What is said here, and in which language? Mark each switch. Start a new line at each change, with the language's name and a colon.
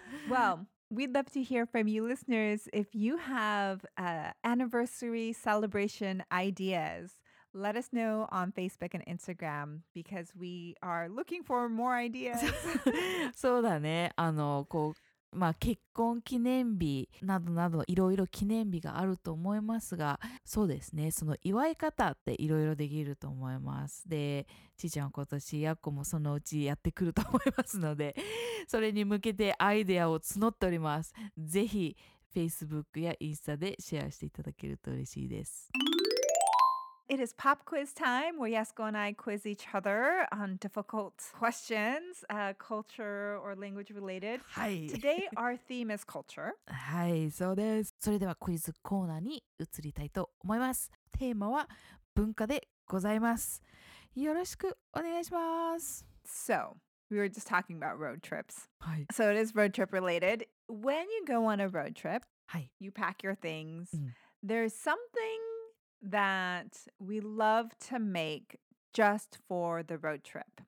English: Well, we'd love to hear from you listeners if you have anniversary celebration ideas. Let us know on Facebook and Instagram because we are looking for more ideas.
Japanese: そうだね。あのこうまあ結婚記念日などなどいろいろ記念日があると思いますが、そうですね。その祝い方っていろいろできると思います。で、ちーちゃんは今年やっこもそのうちやってくると思いますので、それに向けてアイデアを募っております。ぜひ Facebook やインスタでシェアしていただけると嬉しいです。
English: It is pop quiz time where Yasuko and I quiz each other on difficult questions, culture or language related.
Japanese: はい。
English: Today our theme is culture.
Japanese: はい、そうです。それではクイズコーナーに移りたいと思います。テーマは文化でございます。よろしくお願いします。
English: So, we were just talking about road trips.
Japanese: はい。
English: So it is road trip related. When you go on a road trip,
Japanese: はい。
English: You pack your things. There's something... That we love to make just for the road trip.